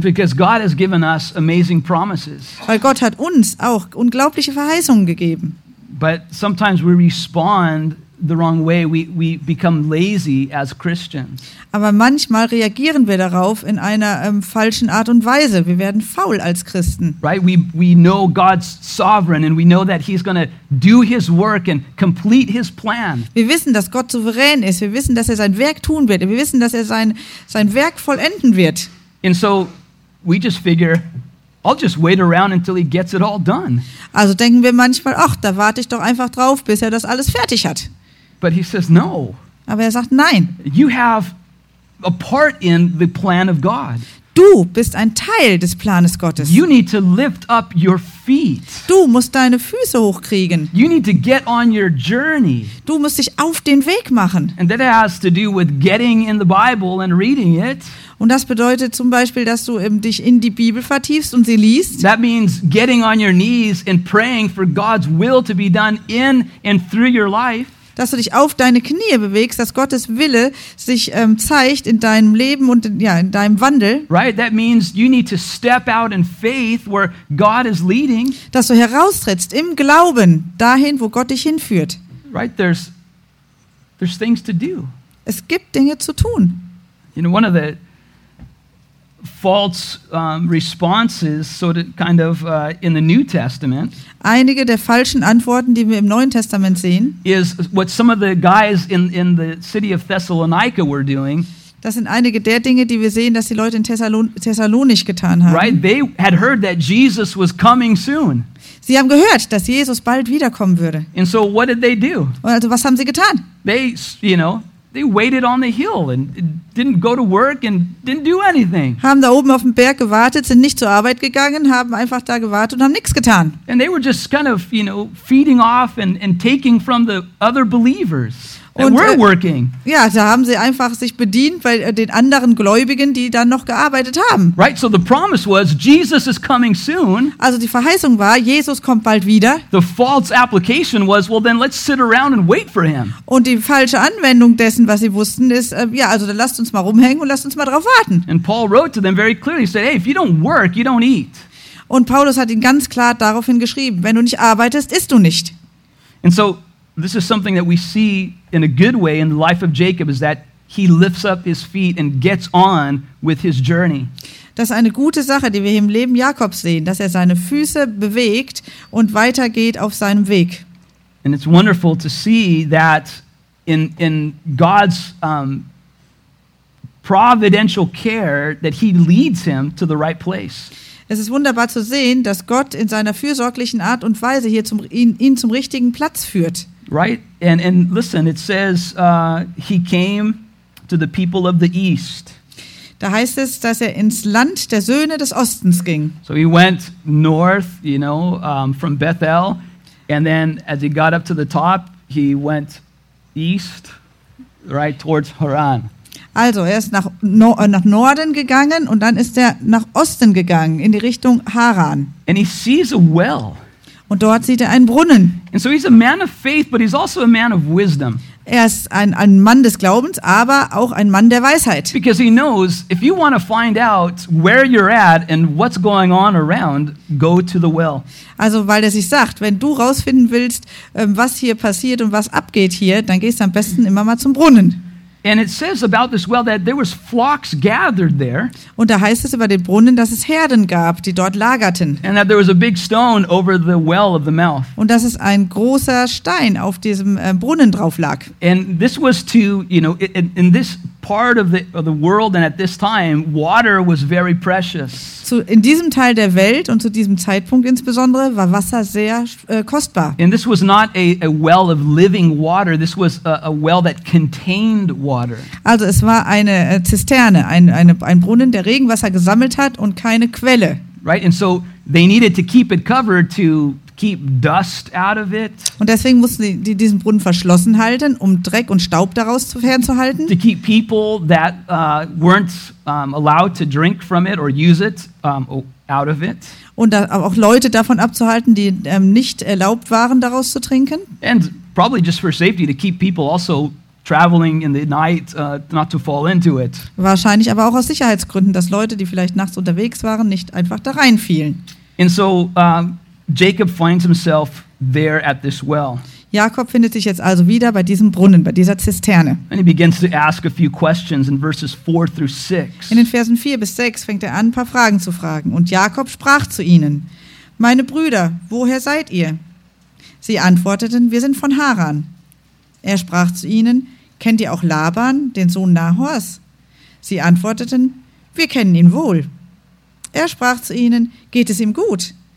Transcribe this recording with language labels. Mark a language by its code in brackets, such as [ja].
[en] Because God has given us amazing promises. [de] Weil Gott hat uns auch unglaubliche Verheißungen gegeben. [en] But sometimes we respond the wrong way. We become lazy as Christians. [de] Aber manchmal reagieren wir darauf in einer falschen Art und Weise. Wir werden faul als Christen. [en] Right? We know God's sovereign, and we know that He's going to do His work and complete His plan. [de] Wir wissen, dass Gott souverän ist. Wir wissen, dass er sein Werk tun wird. Wir wissen, dass er sein Werk vollenden wird. [en] And so we just figure, I'll just wait around until he gets it all done. [de] Also denken wir manchmal, ach, da warte ich doch einfach drauf, bis er das alles fertig hat. [en] But he says no. [de] Aber er sagt nein. [en] You have a part in the plan of God. [de] Du bist ein Teil des Planes Gottes. [en] You need to lift up your feet. [de] Du musst deine Füße hochkriegen. [en] You need to get on your journey. [de] Du musst dich auf den Weg machen. [en] And that has to do with getting in the Bible and reading it. [de] Und das bedeutet zum Beispiel, dass du eben dich in die Bibel vertiefst und sie liest. [en] That means getting on your knees and praying for God's will to be done in and through your life. [de] Dass du dich auf deine Knie bewegst, dass Gottes Wille sich zeigt in deinem Leben und in deinem Wandel. [en] Right, that means you need to step out in faith where God is leading. [de] Dass du heraustrittst im Glauben dahin, wo Gott dich hinführt. [en] Right, there's things to do. [de] Es gibt Dinge zu tun. [en] You know, one of the false responses, so to kind of in the New Testament. [de] Einige der falschen Antworten, die wir im Neuen Testament sehen, [en] is what some of the guys in the city of Thessalonica were doing. [de] Das sind einige der Dinge, die wir sehen, dass die Leute in Thessalonich getan haben. [en] Right, they had heard that Jesus was coming soon. [de] Sie haben gehört, dass Jesus bald wiederkommen würde. [en] And so, what did they do? [de] Also, was haben sie getan? [en] They, you know, they waited on the hill and didn't go to work and didn't do anything. [de] Haben da oben auf dem Berg gewartet, sind nicht zur Arbeit gegangen, haben einfach da gewartet und haben nichts getan. [en] And they were just kind of, you know, feeding off and taking from the other believers that [de] und, [en] were working. [de] Ja, da haben sie einfach sich bedient bei den anderen Gläubigen, die dann noch gearbeitet haben. [en] Right, so the promise was Jesus is coming soon. [de] Also die Verheißung war, Jesus kommt bald wieder. [en] The false application was, well then let's sit around and wait for him. [de] Und die falsche Anwendung dessen, was sie wussten, ist, ja, also dann lasst uns mal rumhängen und lasst uns mal drauf warten. [en] And Paul wrote to them very clearly, he said, hey, if you don't work, you don't eat. [de] Und Paulus hat ihnen ganz klar daraufhin geschrieben, wenn du nicht arbeitest, isst du nicht. [en] And so this is something that we see in a good way in the life of Jacob, is that he lifts up his feet and gets on with his journey. [de] Das ist eine gute Sache, die wir im Leben Jakobs sehen, dass er seine Füße bewegt und weitergeht auf seinem Weg. [en] And it's wonderful to see that in God's providential care that he leads him to the right place. [de] Es ist wunderbar zu sehen, dass Gott in seiner fürsorglichen Art und Weise hier ihn zum richtigen Platz führt. [en] Right, and listen, it says he came to the people of the east. [de] Da heißt es, dass er ins Land der Söhne des Ostens ging. [en] So he went north, you know, from Bethel, and then as he got up to the top, he went east, right towards Haran. [de] Also er ist nach Norden gegangen und dann ist er nach Osten gegangen in die Richtung Haran. [en] And he sees a well. [de] Und dort sieht er einen Brunnen. [en] And so he's a man of faith, but he's also a man of wisdom. [de] Er ist ein Mann des Glaubens, aber auch ein Mann der Weisheit. [en] Because he knows if you want to find out where you're at and what's going on around, go to the well. [de] Also weil er sich sagt, wenn du rausfinden willst, was hier passiert und was abgeht hier, dann gehst du am besten immer mal zum Brunnen. [en] And it says about this well that there was flocks gathered there. [de] Und da heißt es über den Brunnen, dass es Herden gab, die dort lagerten. [en] And that there was a big stone over the well of the mouth. [de] Und dass es ein großer Stein auf diesem Brunnen drauf lag. [en] And this was to, you know, in this part of the world and at this time, water was very precious. [de] So in diesem Teil der Welt und zu diesem Zeitpunkt insbesondere war Wasser sehr kostbar. [en] And this was not a well of living water. This was a well that contained water. [de] Also es war eine Zisterne, ein Brunnen, der Regenwasser gesammelt hat und keine Quelle. [en] Right, and so they needed to keep it covered to keep dust out of it. [de] Und deswegen mussten sie diesen Brunnen verschlossen halten, um Dreck und Staub daraus fernzuhalten. [en] To keep people that weren't allowed to drink from it or use it out of it. [de] Und da auch Leute davon abzuhalten, die nicht erlaubt waren, daraus zu trinken. [en] And probably just for safety to keep people also traveling in the night not to fall into it. [de] Wahrscheinlich aber auch aus Sicherheitsgründen, dass Leute, die vielleicht nachts unterwegs waren, nicht einfach da reinfielen. [en] And so Jacob finds himself there at this well. [de] Jakob findet sich jetzt also wieder bei diesem Brunnen, bei dieser Zisterne. [en] And he begins to ask a few questions in verses 4 through 6. [de] In den Versen 4 bis 6 fängt er an, ein paar Fragen zu fragen. Und Jakob sprach zu ihnen: Meine Brüder, woher seid ihr? Sie antworteten: Wir sind von Haran. Er sprach zu ihnen: Kennt ihr auch Laban, den Sohn Nahors? Sie antworteten: Wir kennen ihn wohl. Er sprach zu ihnen: Geht es ihm gut?